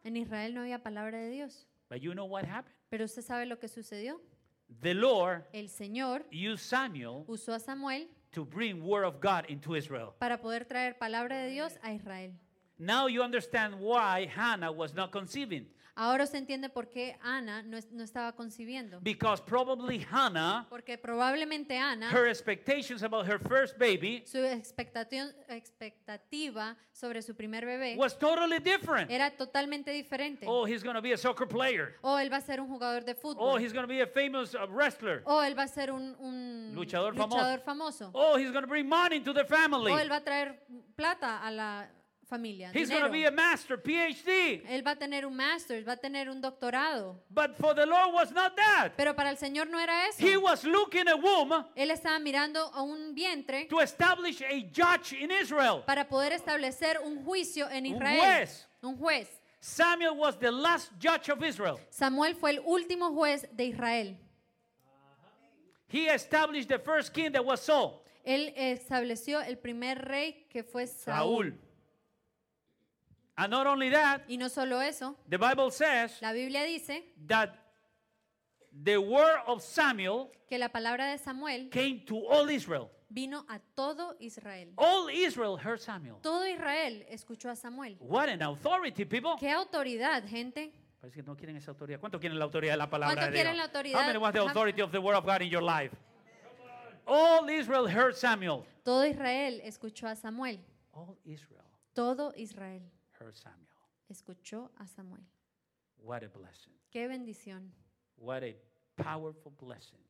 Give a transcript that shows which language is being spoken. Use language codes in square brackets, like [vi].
[es] En Israel no había palabra de Dios. [en] But you know what happened? [es] ¿Pero usted sabe lo que sucedió? [en] The Lord, [es] el Señor, [en] used Samuel, [es] usó a Samuel, [en] to bring word of God into Israel. [es] Para poder traer palabra de Dios a Israel. [en] Now you understand why Hannah was not conceiving. [es] Ahora se entiende por qué Ana no estaba concibiendo. [en] Because probably Hannah, [es] porque probablemente Ana, [en] her expectations about her first baby, [es] su expectativa sobre su primer bebé, [en] was totally different. [es] Era totalmente diferente. [en] Oh, he's going to be a soccer player. [es] Oh, él va a ser un jugador de fútbol. [en] Oh, he's going to be a famous wrestler. [es] Oh, él va a ser un luchador famoso. [en] Oh, he's going to bring money to the family. [es] Oh, él va a traer plata a la familia, [en] he's going to be a master, PhD. [es] Él va a tener un master, va a tener un doctorado. [en] But for the Lord was not that. [es] Pero para el Señor no era eso. [en] He was looking a womb. [es] Él estaba mirando a un vientre. [en] To establish a judge in Israel. [es] Para poder establecer un juicio en Israel. Un juez. [en] Samuel was the last judge of Israel. [es] Samuel fue el último juez de Israel. [en] He established the first king that was Saul. [es] Él estableció el primer rey que fue Saúl. [en] Saúl. And not only that, [es] y no solo eso, [en] the Bible says, [es] la Biblia dice, [en] that the word of Samuel, [es] que la palabra de Samuel [en] came to all Israel. [es] Vino a todo Israel. [en] All Israel heard Samuel. [es] Todo Israel escuchó a Samuel. [en] What an authority, people. [es] Qué autoridad, gente. Parece que no quieren esa autoridad. ¿Cuánto quieren la autoridad de la palabra de Dios? ¿Cuánto quieren la autoridad? [en] How many want the authority of the word of God in your life? All Israel heard Samuel. [es] Todo Israel escuchó a Samuel. [en] All Israel. [es] Todo Israel [en] heard Samuel. [es] Escuchó a Samuel. [en] What a blessing. [es] Qué bendición. [en] What a powerful blessing.